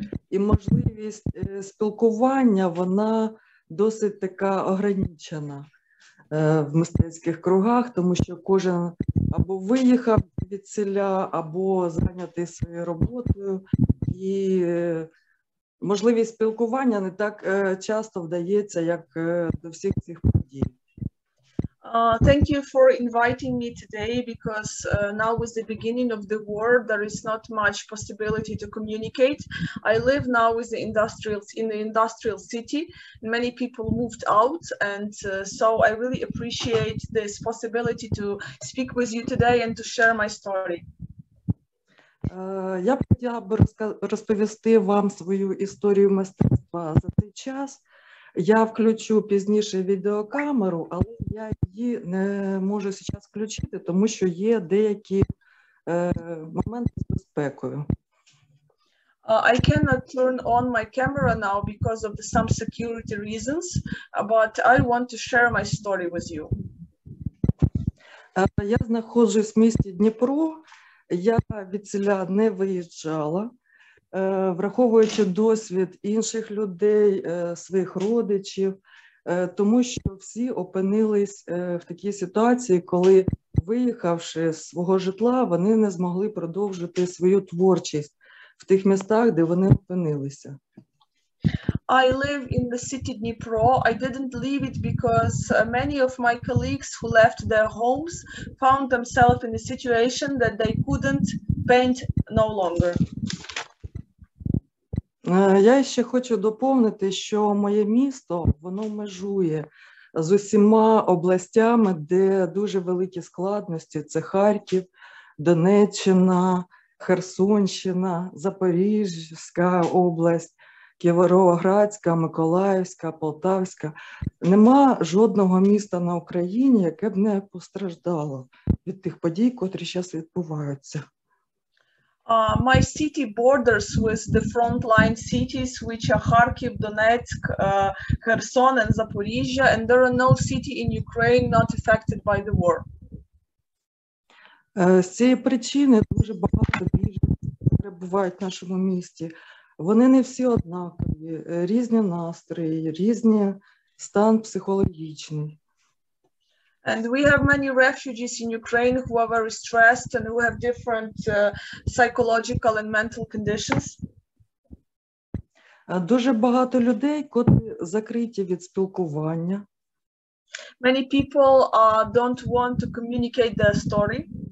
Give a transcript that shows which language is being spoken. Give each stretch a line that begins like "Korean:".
Ukrainian: і можливість спілкування, вона досить така ограничена в мистецьких кругах, тому що кожен або виїхав від селя, або зайнятий своєю роботою, і можливість спілкування не так часто вдається, як до всіх цих подій.
English: Thank you for inviting me today, because now with the beginning of the war, there is not much possibility to communicate. I live now with the industrials in the industrial city. Many people moved out, and so I really appreciate this possibility to speak with you today and to share my story.
Ukrainian: Я б хотіла розповісти вам свою історію мистецтва за цей час. Я включу пізніше відеокамеру, але я її не можу зараз включити, тому що є деякі моменти з безпекою.
English: I cannot turn on my camera now because of some security reasons, but I want to share my story with you.
Ukrainian: Я знаходжусь в місті Дніпро. Я звідсіля не виїжджала. Враховуючи досвід інших людей, своїх родичів, тому що всі опинились в такій ситуації, коли, виїхавши з свого житла, вони не змогли продовжити свою творчість в тих містах, де вони опинилися.
English: I live in the city Dnipro. I didn't leave it because many of my colleagues who left their homes found themselves in a situation that they couldn't paint no longer.
Ukrainian: Я ще хочу доповнити, що моє місто, воно межує з усіма областями, де дуже великі складності. Це Харків, Донеччина, Херсонщина, Запоріжська область, Кіровоградська, Миколаївська, Полтавська. Нема жодного міста на Україні, яке б не постраждало від тих подій, котрі зараз відбуваються.
English: My city borders with the frontline cities, which are Kharkiv, Donetsk, Kherson and Zaporizhia, and there are no city in Ukraine not affected by the war.
Ukrainian: З цієї причини дуже багато біженців перебувають в нашому місті. Вони не всі однакові, різні настрої, різні стан психологічний.
English: And we have many refugees in Ukraine who are very stressed and who have different psychological and mental conditions.
Ukrainian: Дуже багато людей, котрі закриті від спілкування.
English: Many people don't want to communicate their story.